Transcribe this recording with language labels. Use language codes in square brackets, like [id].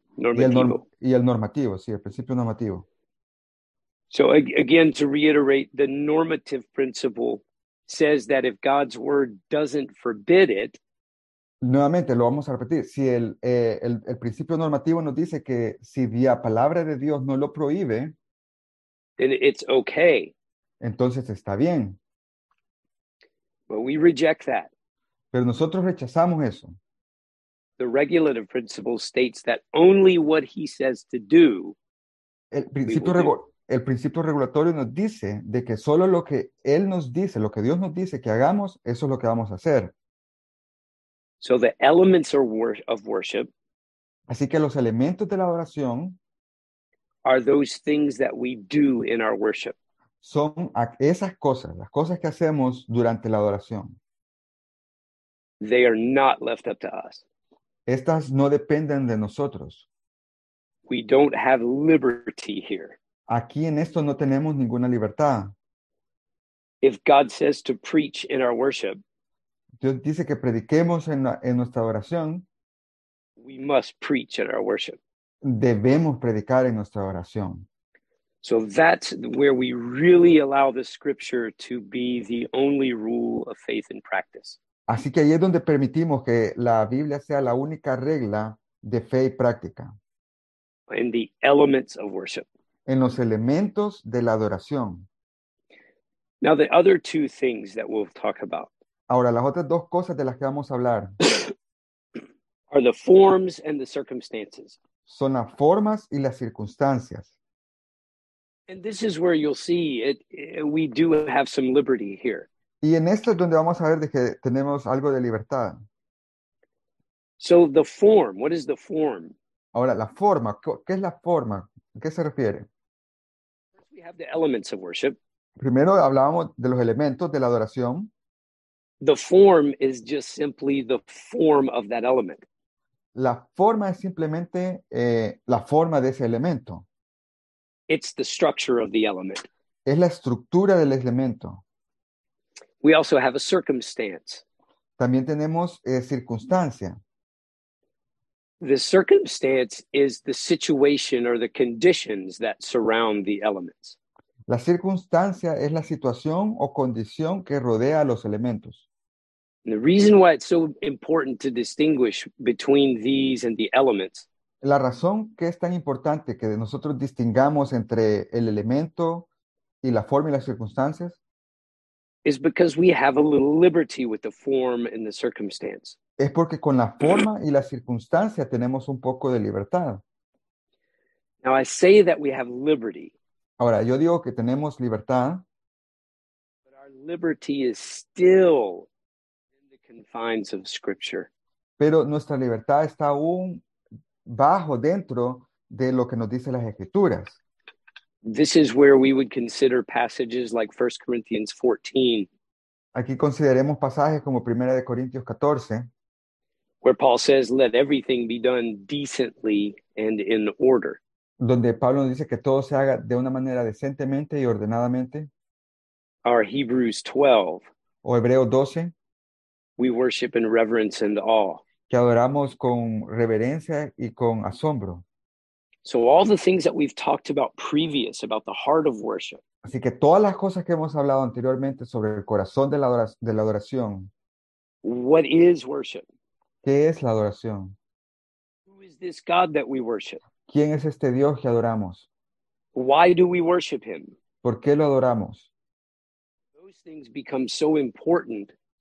[es] Y el normativo, sí, el principio normativo. [en] So again, to reiterate, the normative principle says that if God's word doesn't forbid it, [es] Nuevamente, lo vamos a repetir. Si el principio normativo nos dice que si vía palabra de Dios no lo prohíbe, [en] then it's okay. [es] entonces está bien. [en] But we reject that. [es] Pero nosotros rechazamos eso. [en] The regulative principle states that only what he says to do, [es] el principio, [en] we will do. [es] El principio regulatorio nos dice de que solo lo que él nos dice, lo que Dios nos dice que hagamos, eso es lo que vamos a hacer. [en] So the elements of worship, [es] así que los elementos de la adoración [en] are those things that we do in our worship. [es] Son esas cosas, las cosas que hacemos durante la adoración. [en] They are not left up to us. [es] Estas no dependen de nosotros. [en] We don't have liberty here. [es] Aquí en esto no tenemos ninguna libertad. [en] If God says to preach in our worship, [es] Dios dice que prediquemos en nuestra adoración. [en] We must preach in our worship. [es] Debemos predicar en nuestra adoración. [en] So that's where we really allow the scripture to be the only rule of faith and practice. [es] Así que ahí es donde permitimos que la Biblia sea la única regla de fe y práctica. [en] In the elements of worship. [es] En los elementos de la adoración. [en] Now the other two things that we'll talk about. [es] Ahora, las otras dos cosas de las que vamos a hablar. [en] Are the forms and the circumstances. [es] Son las formas y las circunstancias. [en] And this is where you'll see it, we do have some liberty here. [es] Y en esto es donde vamos a ver de que tenemos algo de libertad. [en] So the form, what is the form? [es] Ahora, la forma, ¿qué es la forma? ¿A qué se refiere? [en] First we have the elements of worship. [es] Primero hablábamos de los elementos de la adoración. [en] The form is just simply the form of that element. [es] La forma es simplemente la forma de ese elemento. [en] It's the structure of the element. [es] Es la estructura del elemento. [en] We also have a circumstance. [es] También tenemos circunstancia. [en] The circumstance is the situation or the conditions that surround the elements. [es] La circunstancia es la situación o condición que rodea a los elementos. [en] And the reason why it's so important to distinguish between these and the elements. [es] La razón que es tan importante que nosotros distingamos entre el elemento y la forma y las circunstancias [en] is because we have a little liberty with the form and the circumstance. [es] Es porque con la forma y la circunstancia tenemos un poco de libertad. [en] Now I say that we have liberty. [es] Ahora, yo digo que tenemos libertad. [en] But our liberty is still in the confines of Scripture. [es] Pero nuestra libertad está aún bajo dentro de lo que nos dice las Escrituras. [en] This is where we would consider passages like 1 Corinthians 14. [es] Aquí consideremos pasajes como 1 Corintios 14. [en] Where Paul says, let everything be done decently and in order. [es] Donde Pablo nos dice que todo se haga de una manera decentemente y ordenadamente. [en] Our Hebrews 12. [es] O Hebreos 12. [en] We worship in reverence and awe. [es] Que adoramos con reverencia y con asombro. [en] So all the things that we've talked about previous, about the heart of worship. [es] Así que todas las cosas que hemos hablado anteriormente sobre el corazón de la adoración. [en] What is worship? [es] ¿Qué es la adoración? [en] Who is this God that we worship? [es] ¿Quién es este Dios que adoramos? [en] Why do we worship him? [es] ¿Por qué lo adoramos? [en] Those things become so important.